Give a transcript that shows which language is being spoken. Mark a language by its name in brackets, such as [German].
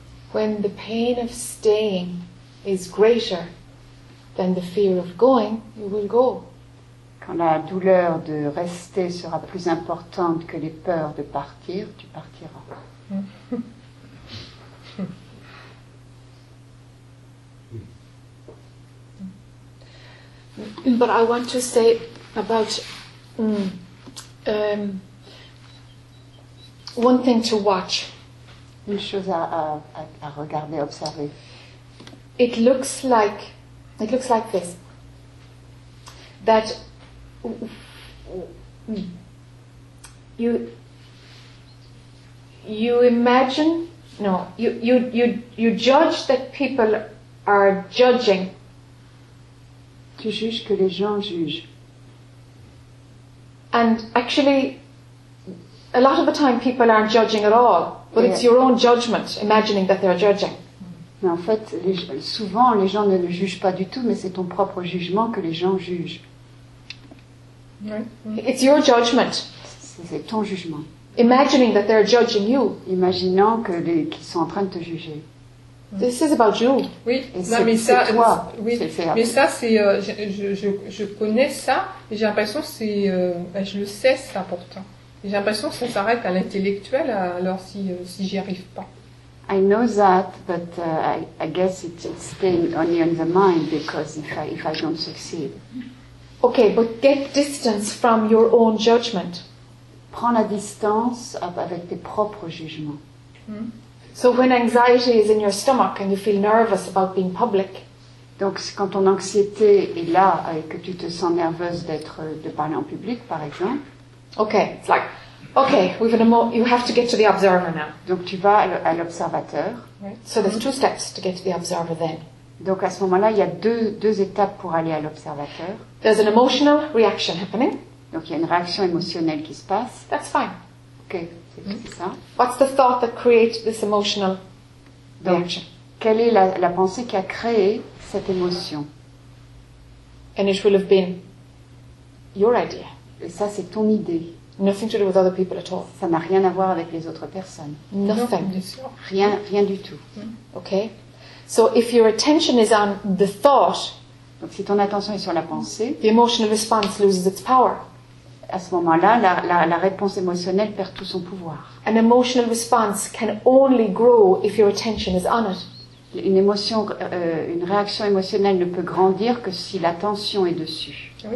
[English] When the pain of staying is greater than the fear of going, you will go. [French] Quand la douleur de rester sera plus importante que les peurs de partir, tu partiras. [English] But I want to say about one thing to watch. [French] Une chose à regarder, observer. [English] It looks like this. That you imagine, no, you judge that people are judging. [French] Tu juges que les gens jugent. [English] And actually, a lot of the time people aren't judging at all. But it's your own judgment, imagining that they're judging. [French] Mais en fait, souvent, les gens ne le jugent pas du tout, mais c'est ton propre jugement que les gens jugent. [English] It's your judgment. [French] c'est ton jugement. [English] Imagining that they're judging you. [French] Imaginant que les, qu'ils sont en train de te juger. [English] This is about you. [French] Oui, non, mais ça, c'est toi. Oui, mais ça, c'est, je connais ça, et j'ai l'impression que c'est, ben, je le sais, c'est important. J'ai l'impression que ça s'arrête à l'intellectuel, alors si j'y arrive pas. [English] I know that, but I guess it's staying only on the mind, because if I don't succeed. Okay, but get distance from your own judgment. [French] Prends la distance avec tes propres jugements. Mm-hmm. [English] So when anxiety is in your stomach and you feel nervous about being public. [French] Donc quand ton anxiété est là et que tu te sens nerveuse de parler en public, par exemple. [English] Okay, it's like, okay, you have to get to the observer now. [French] Donc tu vas à l'observateur. [English] Right. So there's two steps to get to the observer then. [French] Donc à ce moment-là, il y a deux étapes pour aller à l'observateur. [English] There's an emotional reaction happening. [French] Donc il y a une réaction émotionnelle qui se passe. [English] That's fine. [French] Okay. C'est ça. [English] What's the thought that creates this emotional reaction? [French] Quelle est la pensée qui a créé cette émotion? [English] And it will have been your idea. [French] Et ça, c'est ton idée. [English] Nothing to do with other people at all. [French] Ça n'a rien à voir avec les autres personnes. [English] Nothing. [French] Rien du tout. [English] Okay. So if your attention is on the thought, [French] donc si ton attention est sur la pensée, [English] the emotional response loses its power. [French] À ce moment-là, la réponse émotionnelle perd tout son pouvoir. [English] An emotional response can only grow if your attention is on it. [French] Une émotion, une réaction émotionnelle ne peut grandir que si l'attention est dessus.